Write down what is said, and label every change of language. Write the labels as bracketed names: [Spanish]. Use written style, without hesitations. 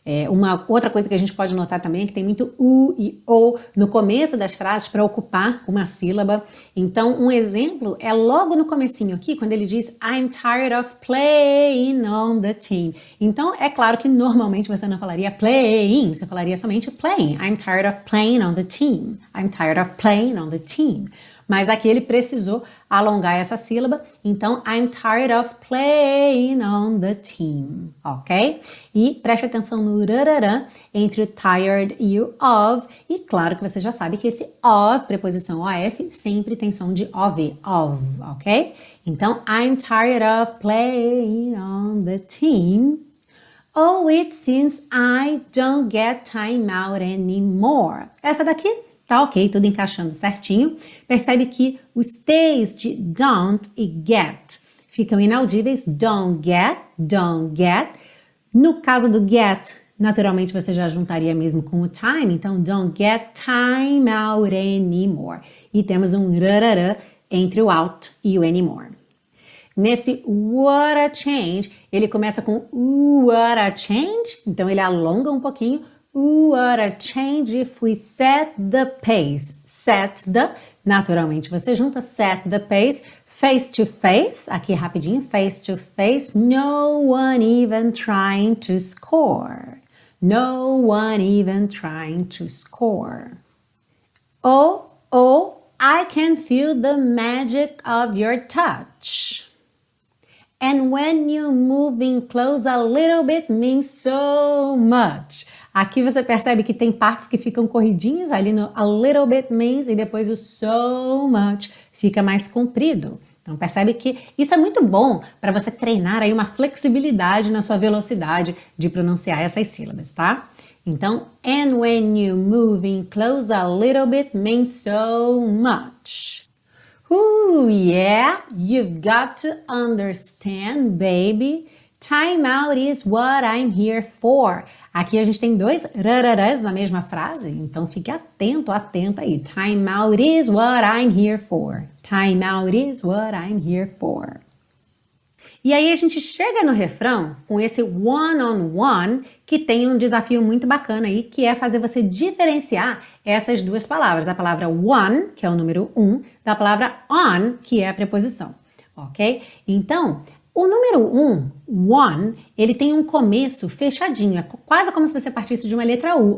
[Portuguese] Uma outra coisa que a gente pode notar também é que tem muito u e ou no começo das frases para ocupar uma sílaba. Então, um exemplo é logo no comecinho aqui, quando ele diz [English] I'm tired of playing on the team. [Portuguese] Então, é claro que normalmente você não falaria playing, você falaria somente playing. [English] I'm tired of playing on the team. I'm tired of playing on the team. [Portuguese] Mas aqui ele precisou alongar essa sílaba, então [English] I'm tired of playing on the team, [Portuguese] ok? E preste atenção no rararã entre o tired e o of, e claro que você já sabe que esse of, preposição of, sempre tem som de ov, of, ok? [English] Então I'm tired of playing on the team. Oh, it seems I don't get time out anymore. [Portuguese] Essa daqui Tá ok, tudo encaixando certinho. Percebe que os T's de don't e get ficam inaudíveis. [English] Don't get, don't get. [Portuguese] No caso do get, naturalmente você já juntaria mesmo com o time. [English] Então, don't get time out anymore. [Portuguese] E temos um rarara entre o out e o anymore. Nesse [English] what a change, [Portuguese] ele começa com what a change. [English] Então, ele alonga um pouquinho. What a change if we set the pace. Set the, [Portuguese] naturalmente você junta, [English] set the pace. Face to face, [Portuguese] aqui rapidinho, [English] face to face. No one even trying to score. No one even trying to score. Oh, oh, I can feel the magic of your touch. And when you move in close, a little bit means so much. [Portuguese] Aqui você percebe que tem partes que ficam corridinhas ali no [English] a little bit means [Portuguese] e depois o so much fica mais comprido. Então percebe que isso é muito bom para você treinar aí uma flexibilidade na sua velocidade de pronunciar essas sílabas, tá? [English] Então, and when you move in close, a little bit means so much. Ooh, yeah, you've got to understand, baby. Time out is what I'm here for. [Portuguese] Aqui a gente tem dois rararás na mesma frase, então fique atento, atenta aí. [English] Time out is what I'm here for. Time out is what I'm here for. [Portuguese] E aí a gente chega no refrão com esse one-on-one, que tem um desafio muito bacana aí, que é fazer você diferenciar essas duas palavras. A palavra one, que é o número um, da palavra on, que é a preposição, ok? Então, o número um, one, ele tem um começo fechadinho, é quase como se você partisse de uma letra U.